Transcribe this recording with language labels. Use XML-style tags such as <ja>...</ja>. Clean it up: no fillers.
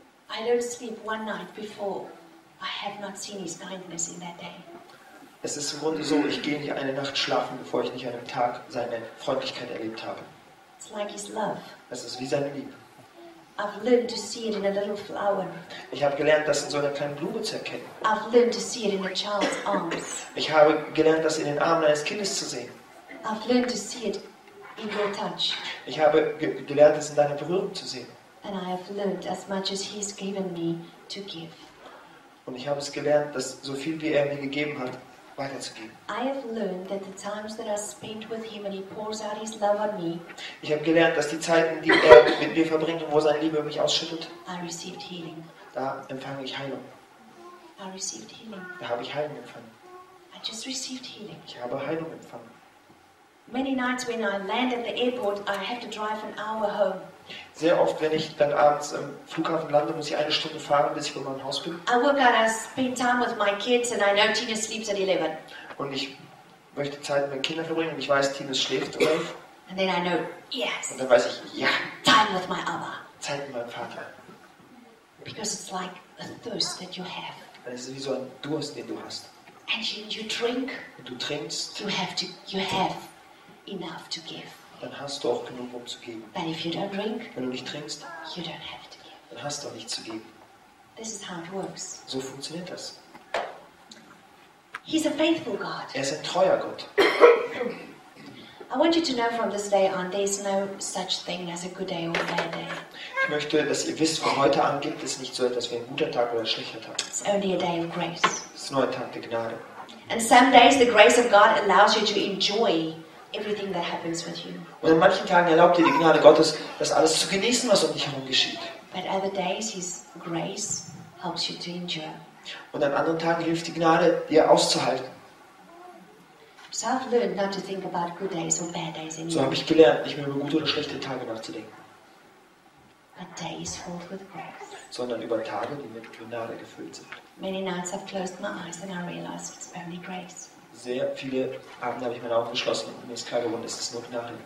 <en>I don't sleep one night before I have not seen his kindness in that day.</en> <de>Es ist im Grunde so, ich gehe nicht eine Nacht schlafen, bevor ich nicht an einem Tag seine Freundlichkeit erlebt habe.</de> <en>It's like his love.</en> <de>Es ist wie seine Liebe.</de> <en>I've learned to see it in a little flower.</en> <de>Ich habe gelernt, das in so einer kleinen Blume zu erkennen.</de> <en>I've learned to see it in a child's arms.</en> <de>Ich habe gelernt, das in den Armen eines Kindes zu sehen.</de> <en>I've learned to see it in your touch.</en> <de>Ich habe gelernt, das in deiner Berührung zu sehen.</de> <en>And I have learned as much as he's given me to give.</en> <de>Und ich habe es gelernt, dass so viel, wie er mir gegeben hat,</de> <en>I have learned that the times that I spent with him and he pours out his love on me.</en> <de>Ich habe gelernt, dass die Zeiten, die er mit mir verbringt und wo seine Liebe mich ausschüttet,</de> <en>I received healing.</en> <de>Da empfange ich Heilung.</de> <en>I received healing.</en> <de>Da habe ich Heilung empfangen.</de> <en>I just received healing.</en> <de>Ich habe Heilung empfangen.</de> <en>Many nights when I land at the airport, I have to drive an hour home.</en> <de>Sehr oft, wenn ich dann abends am Flughafen lande, muss ich eine Stunde fahren, bis ich bei meinem Haus bin.</de> <en>I work out, I spend time with my kids and I know Tina sleeps at 11.</en> <de>Und ich möchte Zeit mit meinen Kindern verbringen und ich weiß, Tina schläft um 11.</de> <en>And then I know, yes.</en> <de>Und dann weiß ich, ja.</de> <en>Time with my Abba.</en> <de>Zeit mit meinem Vater.</de> <en>Because it's like a thirst that you have.</en> <de>Weil es ist wie so ein Durst, den du hast.</de> <en>And you drink.</en> <de>Und du trinkst.</de> <en>You have enough to give.</en> <de>Dann hast du auch genug, um zu geben.</de> <en>But if you don't drink,</en> <de>wenn du nicht trinkst,</de> <en>you don't have to give.</en> <de>Dann hast du auch nichts zu geben.</de> <en>This is how it works.</en> <de>So funktioniert das.</de> <en>He's a faithful God.</en> <de>Er ist ein treuer Gott.</de> <en>I want you to know from this day on, there's no such thing as a good day or a bad day.</en> <de>Ich möchte, dass ihr wisst, von heute an gibt es nicht so etwas wie ein guter Tag oder ein schlechter Tag.</de> <en>It's only a day of grace.</en> <de>Es ist nur ein Tag der Gnade.</de> <en>And some days the grace of God allows you to enjoy everything that happens with you.</en> <de>Und an manchen Tagen erlaubt dir die Gnade Gottes, das alles zu genießen, was um dich herum geschieht.</de> <en>But other days his grace helps you to endure.</en> <de>Und an anderen Tagen hilft die Gnade, dir auszuhalten.</de> <en>So I've learned not to think about good days or bad days anymore.</en> <de>So habe ich gelernt, nicht mehr über gute oder schlechte Tage nachzudenken.</de> <en>But days filled with grace.</en> <de>Sondern über Tage, die mit Gnade gefüllt sind.</de> <en>Many nights I've closed my eyes and I realize it's only grace.</en> <de>Sehr viele Abende habe ich meine Augen geschlossen und mir ist klar geworden, es ist nur Gnade.</de>